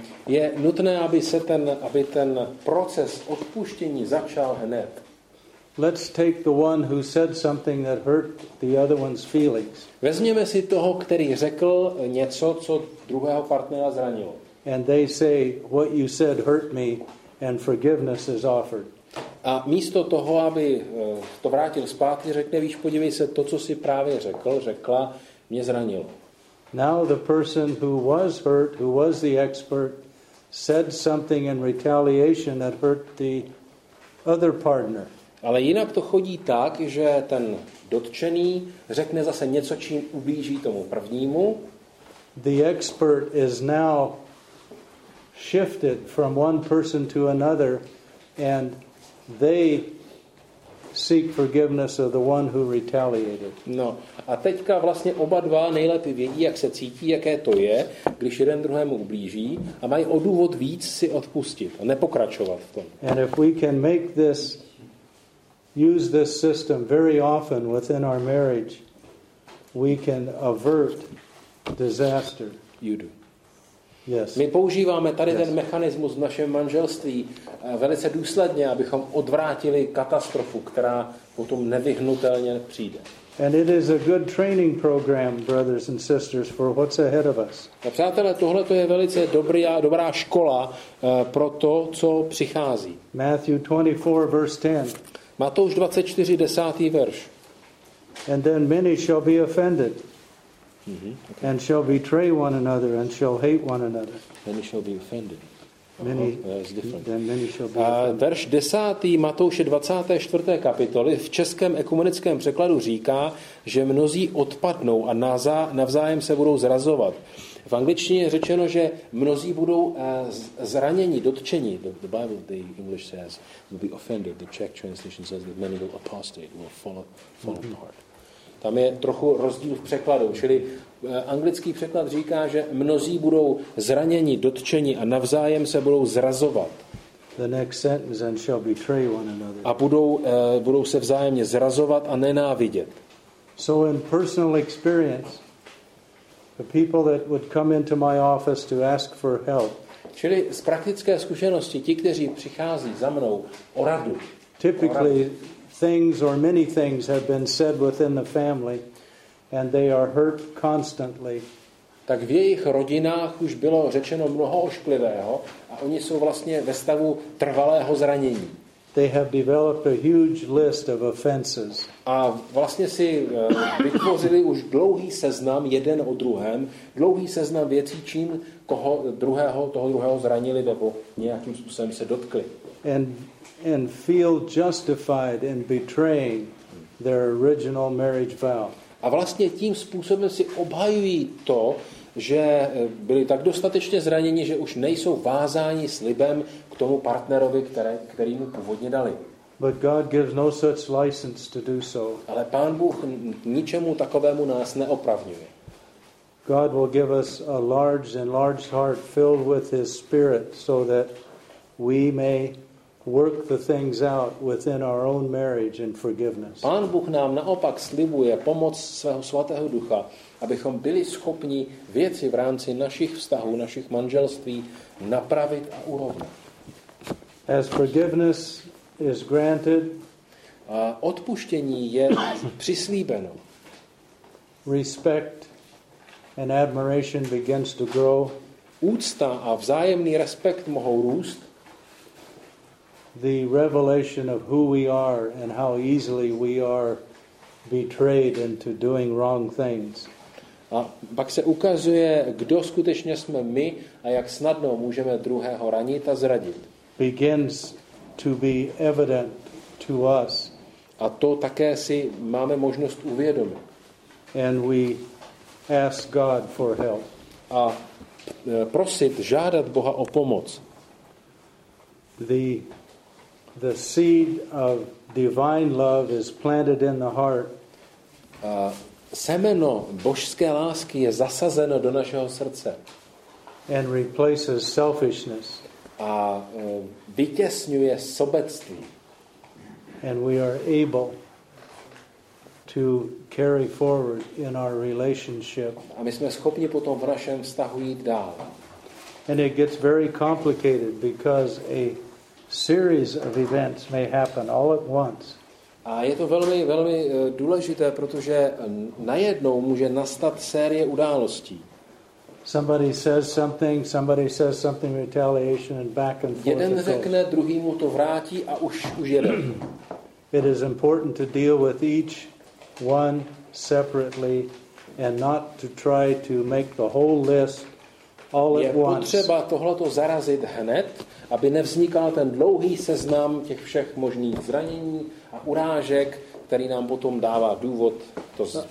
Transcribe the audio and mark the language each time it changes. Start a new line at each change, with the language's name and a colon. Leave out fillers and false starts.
Czech: Je nutné, aby ten proces odpuštění začal hned.
English: Let's take the one who said something that hurt the other one's feelings.
Czech: Vezměme si toho, který řekl něco, co druhého partnera zranilo.
English: And they say, what you said hurt me, and forgiveness is offered.
Czech: A místo toho, aby to vrátil zpátky, řekne, víš, podívej se, to, co si právě řekl, řekla, mě zranilo.
English: Now the person who was hurt, who was the expert, said something in retaliation that hurt the other partner.
Czech: Ale jinak to chodí tak, že ten dotčený řekne zase něco, čím ublíží tomu prvnímu.
English: The expert is now shifted from one person to another and they seek forgiveness of the one who retaliated.
Czech: No, a teďka vlastně oba dva nejlépe vědí, jak se cítí, jaké to je, když jeden druhému ublíží a mají o důvod víc si odpustit a nepokračovat v tom.
English: And if we can make this use this system very often within our marriage, we can avert disaster. You do. Yes.
Czech: My používáme tady ten mechanismus v našem manželství velice důsledně, abychom odvrátili katastrofu, která potom nevyhnutelně přijde.
English: And it is a good training program, brothers and sisters, for what's ahead of us.
Czech: A přátelé, tohle to je velice dobrá škola pro to, co přichází.
English: Matthew 24 verse 10.
Czech: Matouš 24, 10. verš.
English: And then many shall be offended. Okay. And shall betray one another and shall hate one another. Many shall be offended. Many, then many shall be offended.
Czech: Verš 10. Matouše 24. kapitoly v českém ekumenickém překladu říká, že mnozí odpadnou a navzájem se budou zrazovat. V angličtině je řečeno, že mnozí budou zraněni, dotčeni.
English: The Bible, the English says, will be offended. The Czech translation says that many will apostate, will fall apart.
Czech: Tam je trochu rozdíl v překladu. Čili anglický překlad říká, že mnozí budou zraněni, dotčeni a navzájem se budou zrazovat.
English: The next sentence, and shall betray one another.
Czech: A budou se vzájemně zrazovat a nenávidět.
English: So in personal experience, the people that would come into my office to ask for help.
Czech: Čili z praktické zkušenosti, ti, kteří přichází za mnou o radu.
English: Typically, things or many things have been said within the family, and they are hurt constantly.
Czech: Tak v jejich rodinách už bylo řečeno mnoho ošklivého a oni jsou vlastně ve stavu trvalého zranění.
English: They have developed a huge list of offenses.
Czech: A vlastně si vytvořili už dlouhý seznam jeden o druhém, dlouhý seznam věcí, čím koho druhého, toho druhého zranili nebo nějakým způsobem se dotkli.
English: And feel justified in betraying their original marriage vow.
Czech: A vlastně tím způsobem si obhajují to, že byli tak dostatečně zraněni, že už nejsou vázáni slibem k tomu partnerovi, který mu původně dali.
English: But God gives no such license to do so.
Czech: Ale Pán Bůh ničemu takovému nás neopravňuje.
English: God will give us a large and large heart filled with his spirit so that we may work the things out within our own marriage and forgiveness.
Czech: Pán Bůh nám naopak slibuje pomoc svého svatého ducha, abychom byli schopni věci v rámci našich vztahů, našich manželství napravit a urovnat.
English: As forgiveness is granted,
Czech: a odpuštění je přislíbeno.
English: Respect and admiration begins to grow.
Czech: Úcta a vzájemný respekt mohou růst.
English: The revelation of who we are and how easily we are betrayed into doing wrong things.
Czech: A pak se ukazuje, kdo skutečně jsme my a jak snadno můžeme druhého ranit a zradit.
English: Begins to be evident to us.
Czech: A to také si máme možnost uvědomit.
English: And we ask God for help.
Czech: A prosit, žádat Boha o pomoc.
English: The seed of divine love is planted in the heart.
Czech: Semeno božské lásky je zasazeno do našeho srdce.
English: And replaces selfishness.
Czech: A vytěsňuje sobectví.
English: And we are able to carry forward in our relationship.
Czech: A my jsme schopni potom v našem vztahu jít dál.
English: And it gets very complicated because a series of events may happen all at once.
Czech: A je to velmi, velmi důležité, protože najednou může nastat série událostí.
English: Somebody says something retaliation and back and forth.
Czech: Jeden řekne, druhý mu to vrátí a už jede.
English: It is important to deal with each one separately and not to try to make the whole list all at once.
Czech: Je potřeba tohleto zarazit hned, aby nevznikal ten dlouhý seznam těch všech možných zranění a urážek, který nám potom dává důvod to vzdát.